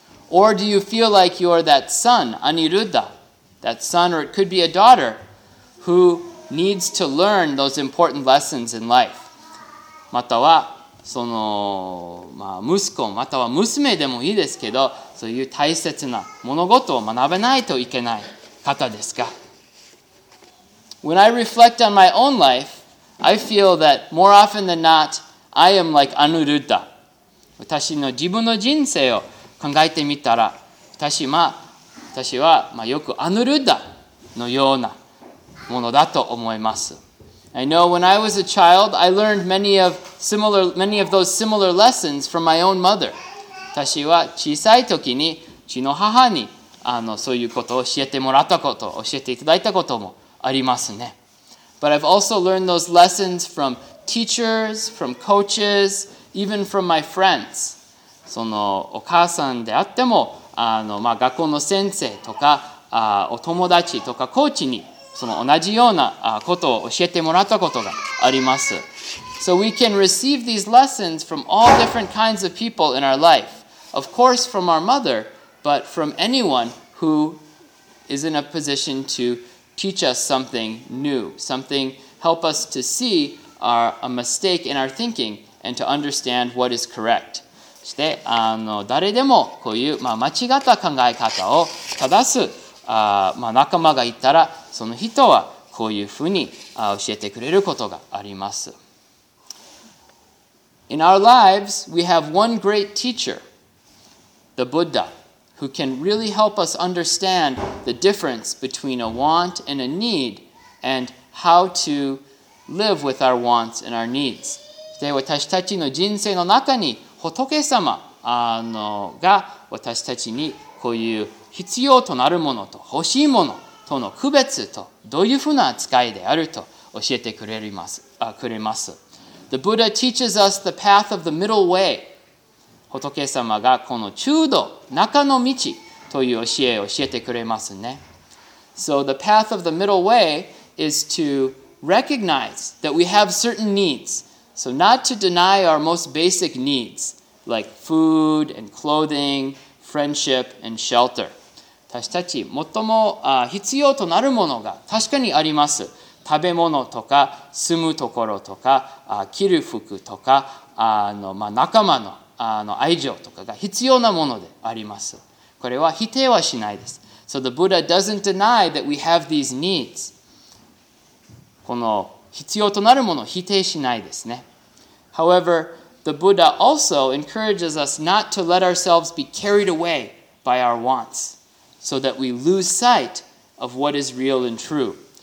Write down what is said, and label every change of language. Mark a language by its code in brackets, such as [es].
[en] Or do you feel like you are that son, Anuruddha, that son or it could be a daughter, who needs to learn those important lessons in life? [ja] または、息子、または娘でもいいですけど、そういう大切な物事を学べないといけない方ですか? [en] When I reflect on my own life,I feel that more often than not, I am like Anuruddha. [ja] 私の自分の人生を考えてみたら、私はよくアヌルッダのようなものだと思います。 [en] I know when I was a child, I learned many of those similar lessons from my own mother. [ja] 私は小さい時に、うちの母にそういうことを教えてもらったこと、教えていただいたこともありますね。 [en] But I've also learned those lessons from teachers, from coaches, even from my friends. [ja] そのお母さんであっても、学校の先生とか、お友達とかコーチにその同じようなことを教えてもらったことがあります。 [en] So we can receive these lessons from all different kinds of people in our life. Of course, from our mother, but from anyone who is in a position to teach us something new, something help us to see our, a mistake in our thinking and to understand what is correct. [ja] そして誰でもこういう、間違った考え方を正す仲間がいたら、その人はこういうふうに教えてくれることがあります。 [en] In our lives, we have one great teacher, the Buddha, who can really help us understand the difference between a want and a need and how to live with our wants and our needs. [ja] で、私たちの人生の中に仏様が私たちにこういう必要となるものと欲しいものとの区別とどういうふうな扱いであると教えてくれます。 [en] The Buddha teaches us the path of the middle way. [ja] 仏様がこの中道、中の道という教えを教えてくれますね。 [en] So the path of the middle way is to recognize that we have certain needs. So not to deny our most basic needs, like food and clothing, friendship and shelter. [ja] 私たち最も必要となるものが確かにあります。食べ物とか住むところとか着る服とか仲間の愛情とかが必要なものであります。これは否定はしないです。 [en] So the Buddha doesn't deny that we have these needs. [ja] この必要となるものを否定しないですね。 [en] However, the Buddha also encourages us not to let ourselves be carried away by our wants, so that we lose sight of what is real and true.